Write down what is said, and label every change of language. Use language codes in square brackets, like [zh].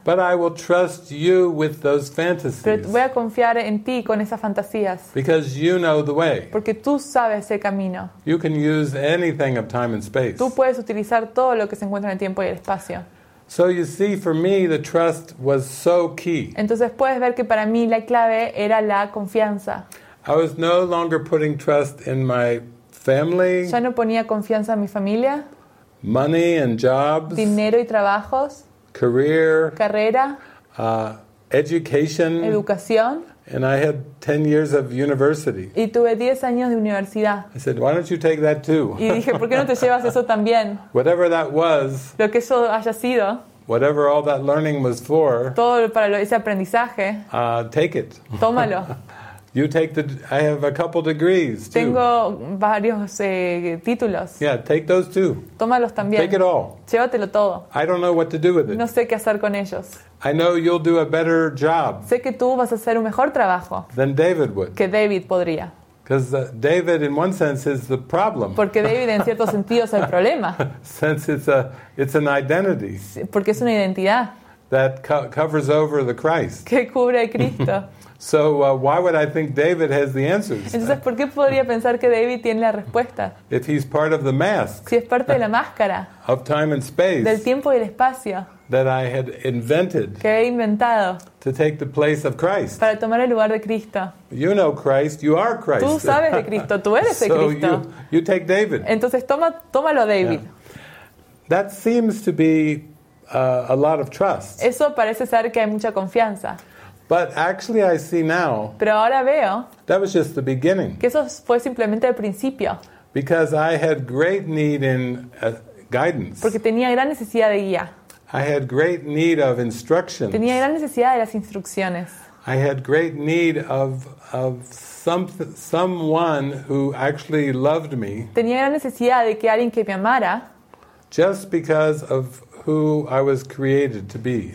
[en] But I will trust you with those fantasies. [es] Pero voy a confiar en ti con esas fantasías. [en] Because you know the way. [es] Porque tú sabes el camino. [en] You can use anything of time and space. [es] Tú puedes utilizar todo lo que se encuentra en el tiempo y el espacio. [en] So you see, for me, the trust was so key. [es] Entonces puedes ver que para mí la clave era la confianza. [en] I was no longer putting trust in my family. [es] Ya no ponía confianza en mi familia. [en] Money and jobs. [es] Dinero y trabajos. [en] Career. [es] Carrera. [en] Education. [es] Educación. [en] And I had 10 years of university. [es] Y tuve 10 años de universidad. [en] I said, why don't you take that too? [es] Y dije, ¿por qué no te llevas eso también? [en] Whatever that was. [es] Lo que eso haya sido. [en] Whatever all that learning was for. [es] Todo para ese aprendizaje. [en] Take it. [es] Tómalo. [en] You take the. I have a couple degrees too. [es] Tengo varios títulos. [en] Yeah, take those too. [es] Tómalos también. [en] Take it all. [es] Llévatelo todo. [en] I don't know what to do with it. [es] No sé qué hacer con ellos. [en] I know you'll do a better job. [es] Sé que tú vas a hacer un mejor trabajo. [en] Than David would. [es] Que David podría. [en] Because David, in one sense, is the problem. [es] Porque David, en cierto sentido, es el problema. [en] Since it's an identity. [es] Porque es una identidad. [en] That covers over the Christ. [es] Que cubre a Cristo. [en] So why would I think David has the answers? [es] Entonces, ¿por qué podría pensar que David tiene la respuesta? [en] If he's part of the mask. [es] Si es parte de la máscara. [en] Of time and space. [es] Del tiempo y el espacio. [en] That I had invented. [es] Que he inventado. [en] To take the place of Christ. [es] Para tomar el lugar de Cristo. [en] You know Christ, you are Christ. [es] Tú sabes de Cristo, tú eres de Cristo. [en] So you take David. [es] Entonces, tómalo a David. [en] Yeah. That seems to be a lot of trust. [es] Eso parece ser que hay mucha confianza. [en] But actually I see now. [es] Pero ahora veo. [en] That was just the beginning. [es] Que eso fue simplemente el principio. [en] Because I had great need in guidance. [es] Porque tenía gran necesidad de guía. [en] I had great need of instructions. [es] Tenía gran necesidad de las instrucciones. [en] I had great need of someone who actually loved me. [es] Tenía gran necesidad de que alguien que me amara. [en] Just because of who I was created to be.